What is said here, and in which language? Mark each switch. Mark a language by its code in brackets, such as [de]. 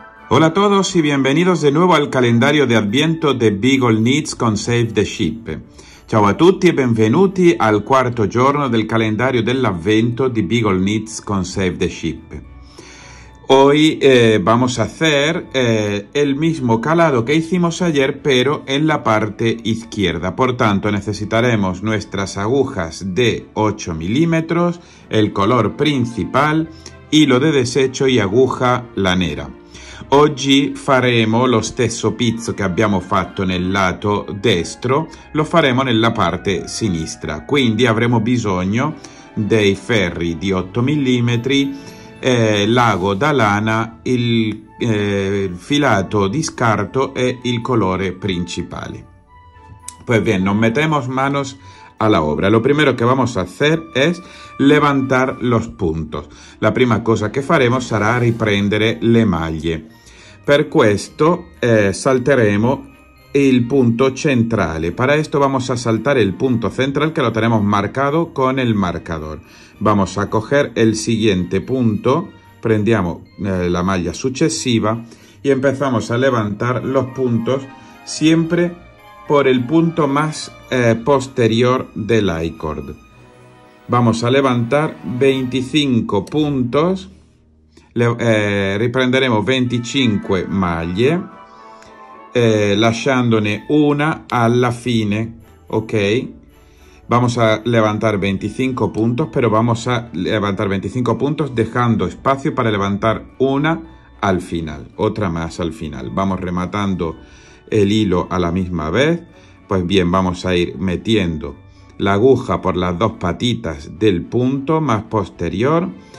[es] Hola a todos y bienvenidos de nuevo al calendario de Adviento de Beagle Knits con Save the Sheep. [it] Ciao a tutti e benvenuti al quarto giorno del calendario dell'Avvento di Beagle Knits con Save the Sheep. [es] Hoy vamos a hacer el mismo calado que hicimos ayer, pero en la parte izquierda. Por tanto, necesitaremos nuestras agujas de 8 milímetros, el color principal, hilo de desecho y aguja lanera. [it] Oggi faremo lo stesso pizzo che abbiamo fatto nel lato destro, lo faremo nella parte sinistra. Quindi avremo bisogno dei ferri di 8 mm, l'ago da lana, il filato di scarto e il colore principale. [es] Pues bien, nos metemos manos a la obra. Lo primero que vamos a hacer es levantar los puntos. [it] La prima cosa che faremo sarà riprendere le maglie. Per questo salteremo il punto centrale. [es] Para esto vamos a saltar el punto central que lo tenemos marcado con el marcador. Vamos a coger el siguiente punto, [it] prendiamo la maglia successiva [es] y empezamos a levantar los puntos siempre por el punto más posterior del I-cord. Vamos a levantar 25 puntos. [it] Riprenderemo 25 maglie, lasciandone una alla fine, ok? [es] Vamos a levantar 25 puntos, pero vamos a levantar 25 puntos dejando espacio para levantar una al final, otra más al final. Vamos rematando el hilo a la misma vez. Pues bien, vamos a ir metiendo la aguja por las dos patitas del punto más posterior.